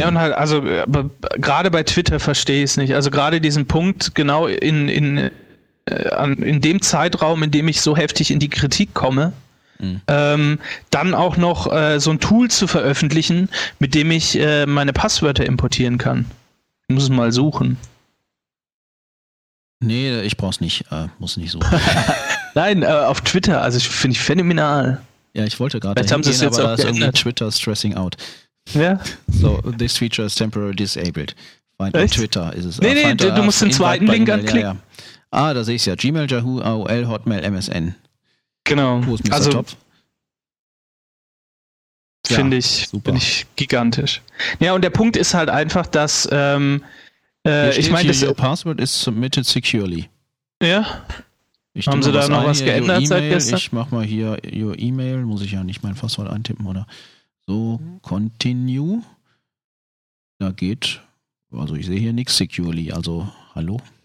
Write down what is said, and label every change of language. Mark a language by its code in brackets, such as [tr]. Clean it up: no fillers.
[de] Ja, und halt, also gerade bei Twitter verstehe ich es nicht. Also gerade diesen Punkt, genau in dem Zeitraum, in dem ich so heftig in die Kritik komme, dann auch noch so ein Tool zu veröffentlichen, mit dem ich meine Passwörter importieren kann. Ich muss es mal suchen. Nee, ich brauch's nicht. Muss nicht suchen. Nein, auf Twitter. Also finde ich phänomenal. Ja, ich wollte gerade dahin gehen, aber da ist irgendwie Twitter [en] stressing out. [de] Ja. [en] So, this feature is temporarily disabled. Find on Twitter [de] ist es. Nee, du musst den zweiten Link anklicken. Ja, ja. Ah, da sehe ich es ja. Gmail, Yahoo, AOL, Hotmail, MSN. Genau. Wo ist Mr. Also, Topf? Finde ich, super. Bin ich gigantisch. Ja, und der Punkt ist halt einfach, dass ich meine, [en] das your password is submitted securely. [de] Ja. Haben Sie da noch was geändert seit gestern? Ich mach mal hier [en] your email, [de] muss ich ja nicht mein Passwort eintippen, oder? So, continue. Da geht, also ich sehe hier nichts securely, also hallo.